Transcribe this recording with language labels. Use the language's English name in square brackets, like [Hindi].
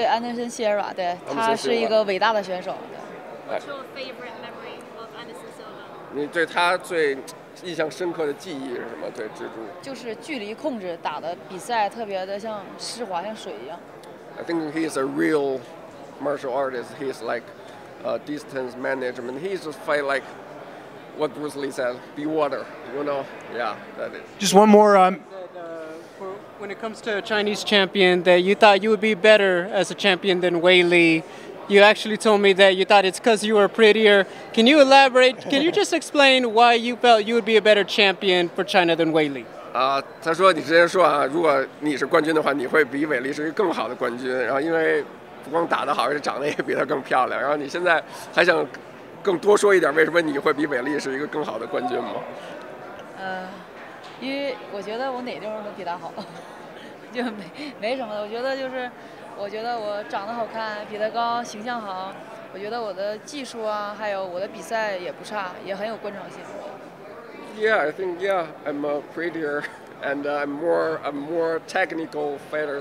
[Chinese] 对，安德森·西尔瓦，对，他是一个伟大的选手。 [English] What's your favorite memory of Anderson Silva? [Chinese] 你对他最印象深刻的记忆是什么？对蜘蛛，就是距离控制打的比赛特别的像湿滑，像水一样。 [English] I think he is a real martial artist. He is like a distance management. He just fight like what Bruce Lee said, be water. You know? Yeah, that is. Just one more. When it comes to a Chinese champion, that you thought you would be better as a champion than Weili. You actually told me that you thought it's because you were prettier. Can you elaborate? Can you just explain why you felt you would be a better champion for China than Weili? [Chinese] 他说你之前说啊，如果你是冠军的话，你会比韦利是一个更好的冠军。然后因为不光打得好，而且长得也比他更漂亮。然后你现在还想更多说一点，为什么你会比韦利是一个更好的冠军吗？因为我觉得我哪地方都比他好，就没什么的。我觉得就是。我觉得我长得好看，比他高，形象好。我觉得我的技术啊，还有我的比赛也不差，也很有观赏性。 [English] Yeah, I think I'm a prettier and I'm more technical fighter.